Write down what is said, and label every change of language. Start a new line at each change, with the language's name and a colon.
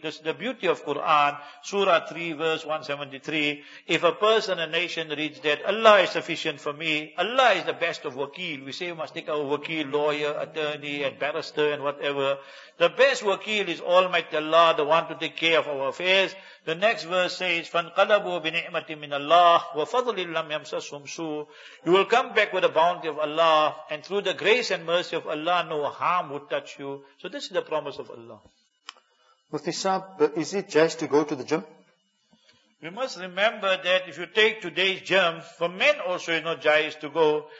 English: This is the beauty of Quran, Surah 3, verse 173. If a person, a nation reads that, Allah is sufficient for me, Allah is the best of wakeel. We say we must take our wakeel, lawyer, attorney, and barrister, and whatever. The best wakeel is Almighty Allah, the one to take care of our affairs.
Arabic: The next verse says, فَانْقَلَبُوا بِنِعْمَةٍ مِّنَ اللَّهِ وَفَضْلٍ لَمْ يَمْسَسْهُمْ سُوءٍ.
English: You will come back with the bounty of Allah, and through the grace and mercy of Allah, no harm would touch you. So this is the promise of Allah. Mufti Saab, is it just to go to the gym? We must remember that if you take today's gym, for men also it's not jais to go.